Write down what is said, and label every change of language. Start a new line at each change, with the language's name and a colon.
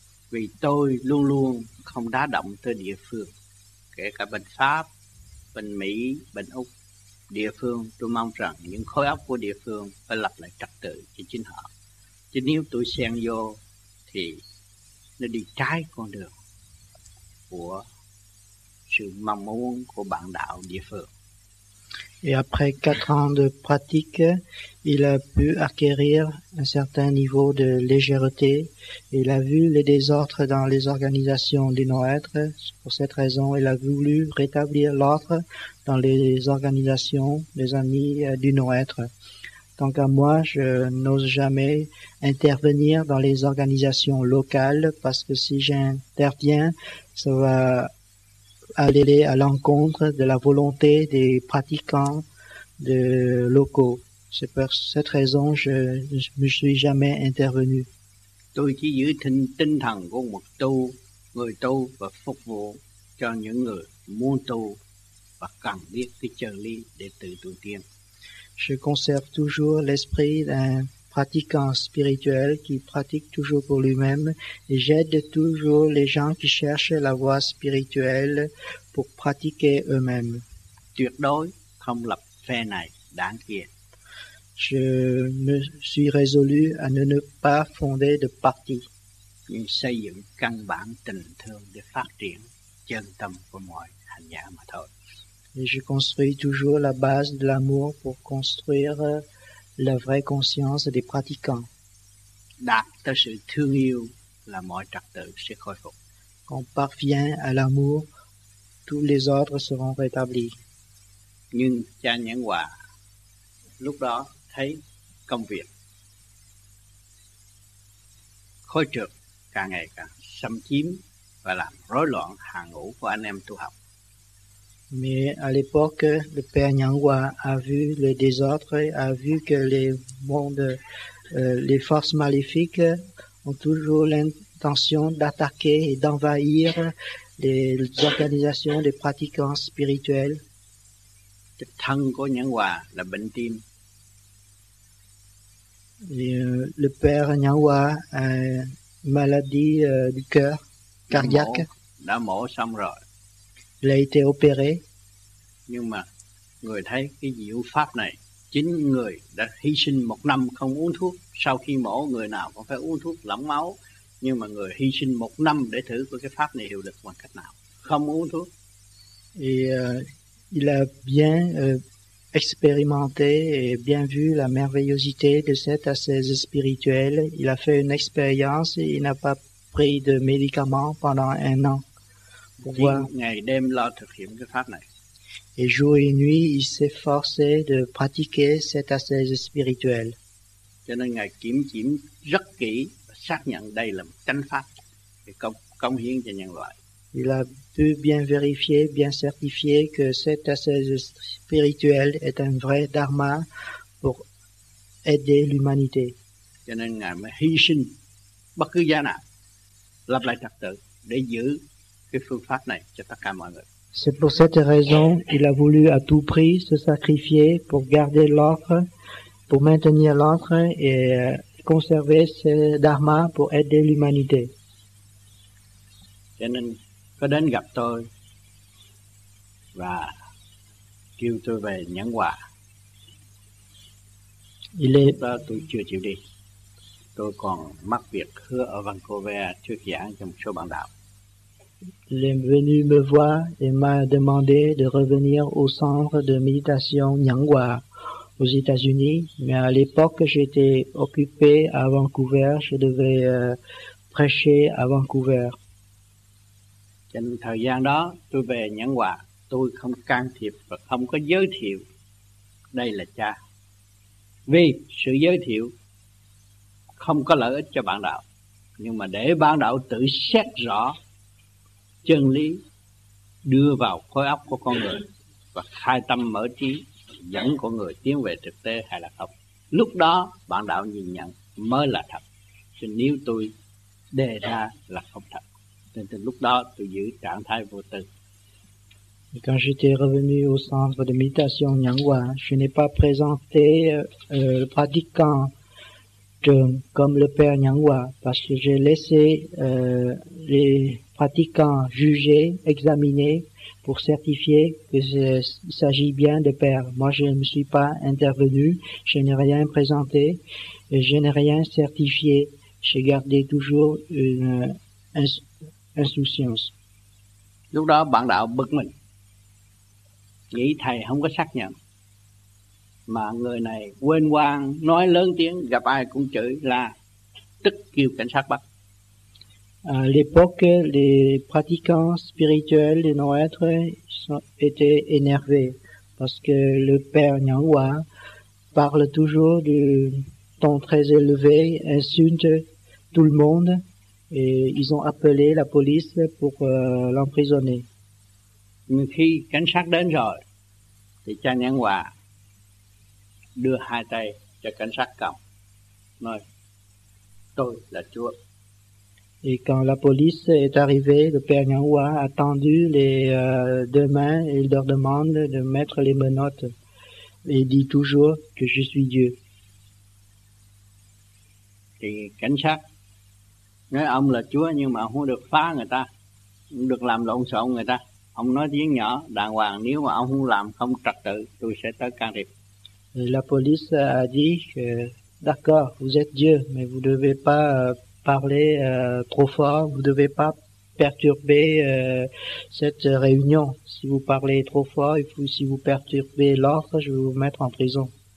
Vietnamese: Vì tôi luôn luôn không đá động tới địa phương, kể cả bên Pháp, bên Mỹ, bên Úc. Địa phương, tôi mong rằng những khối óc của địa phương phải lập lại trật tự cho chính họ. Chứ nếu tôi xen vô thì nó đi trái con đường của sự mong muốn của bạn đạo địa phương.
French: Et après 4 ans de pratique, il a pu acquérir un certain niveau de légèreté. Il a vu les désordres dans les organisations des non-êtres. Pour cette raison, il a voulu rétablir l'ordre dans les organisations des amis du non-être. Tant qu'à moi, je n'ose jamais intervenir dans les organisations locales parce que si j'interviens, ça va aller à l'encontre de la volonté des pratiquants de locaux. C'est pour cette raison que je ne me suis jamais intervenu.
Vietnamese: Tôi chỉ giữ tinh thần của một tu, người tu và phục vụ cho những người muốn tu và cần biết cái chân lý để tự tiến.
French: Je conserve toujours l'esprit d'un pratiquant spirituel qui pratique toujours pour lui-même et j'aide toujours les gens qui cherchent la voie spirituelle pour pratiquer eux-mêmes.
Vietnamese: Tuyệt đối không lập phe này, đảng kia.
French: Je me suis résolu à ne pas fonder de parti.
Vietnamese: Nhưng xây dựng căn bản tình thương để phát triển chân tâm của mọi hành giả mà thôi.
French: Et je construis toujours la base de l'amour pour construire la vraie conscience des pratiquants.
Vietnamese: Đạt tới sự thương yêu là mọi trật tự sẽ khôi phục.
French: Quand on parvient à l'amour, tous les ordres seront rétablis.
Vietnamese: Nhưng cha Nhãn Hòa lúc đó thấy công việc khối trượt càng ngày càng xâm chiếm và làm rối loạn hàng ngũ của anh em tu học.
French: Mais à l'époque, le père Nyangwa a vu le désordre, a vu que les mondes, les forces maléfiques ont toujours l'intention d'attaquer et d'envahir les organisations des pratiquants spirituels.
Vietnamese: Le tang của Nyangwa là bệnh tim.
French: Le père Nyangwa a une maladie du cœur cardiaque.
Vietnamese: Đã mổ xong rồi.
French: Il a été opéré.
Vietnamese: Nhưng mà người thấy cái diệu pháp này, chính người đã hy sinh một năm không uống thuốc. Sau khi mổ, người nào cũng phải uống thuốc lỏng máu. Nhưng mà người hy sinh một năm để thử có cái pháp này hiệu lực bằng cách nào? Không uống thuốc.
French: Et il a bien expérimenté et bien vu la merveillosité de cette ascèse spirituelle. Il a fait une expérience et il n'a pas pris de médicaments pendant un an.
Vietnamese: Ngày đêm lo thực hiện cái pháp này.
French: Et jour et nuit, il s'efforçait de pratiquer cette ascèse spirituelle.
Vietnamese: Cho nên ngài kiểm chỉnh rất kỹ, xác nhận đây là một chánh pháp để cống hiến cho nhân loại.
French: Il a pu bien vérifier, bien certifier que cette ascèse spirituelle est un vrai dharma pour aider l'humanité.
Vietnamese: Cho nên ngài mới hy sinh bất cứ giá nào, lập lại trật tự để giữ cái phương pháp này cho tất cả mọi người.
French: C'est pour cette raison qu'il a voulu à tout prix se sacrifier pour garder l'ordre, pour maintenir l'ordre et conserver ce dharma pour aider l'humanité.
Vietnamese: Cho nên, có đến gặp tôi và kêu tôi về Nhãn Hòa.
French: Il est...
Vietnamese: Tôi chưa chịu đi. Tôi còn mắc việc hứa ở Vancouver thuyết giảng cho một số bạn đạo.
French: Il est venu me voir et m'a demandé de revenir au centre de méditation Nyangwa aux États-Unis. Mais à l'époque, j'étais occupé à Vancouver. Je devais prêcher à Vancouver.
Vietnamese: Trong thời gian đó, tôi về Nyangwa, tôi không can thiệp và không có giới thiệu đây là cha. Vì sự giới thiệu không có lợi ích cho bạn đạo, nhưng mà để bạn đạo tự xét rõ chân lý đưa vào khối óc của con người và khai tâm mở trí dẫn con người tiến về thực tế hay là không. Lúc đó bạn đạo nhìn nhận mới là thật. Chứ nếu tôi đề ra là không thật. Nên từ lúc đó tôi giữ trạng thái vô tư.
French: Et quand j'étais revenu au centre de méditation Nyangwa, je n'ai pas présenté le pratiquant comme le père Nyangwa parce que j'ai laissé les pratiquants juger, examiner, pour certifier que il s'agit bien de père. Moi, je ne me suis pas intervenu, je n'ai rien présenté, et je n'ai rien certifié. J'ai gardé toujours une insouciance.
Vietnamese: Lúc đó, bạn đạo bực mình. Nghĩ thầy không có xác nhận. Mà người này quên quang, nói lớn tiếng, gặp ai cũng chửi là tức kêu cảnh sát bắt.
French: À l'époque, les pratiquants spirituels de nos êtres étaient énervés parce que le père Nyangwa parle toujours du ton très élevé, insulte tout le monde et ils ont appelé la police pour l'emprisonner.
Vietnamese: Mais khi cảnh sát đến rồi, thì cha Nyangwa đưa hai tay cho cảnh sát cầm, nói, tôi là Chúa.
French: Et quand la police est arrivée, le père Nyangwa a tendu les deux mains et il leur demande de mettre les menottes. Et il dit toujours que je suis Dieu.
Vietnamese: Thì cảnh sát nói ông là Chúa nhưng mà không được phá người ta, không được làm lộn xộn người ta. Ông nói tiếng nhỏ, đàng hoàng, nếu mà ông không làm không trật tự, tôi sẽ tới can thiệp.
French: La police a dit que d'accord, vous êtes Dieu, mais vous ne devez pas parler trop fort, vous ne devez pas perturber cette réunion. Si vous parlez trop fort, et si vous perturbez l'ordre, je vais vous mettre en prison.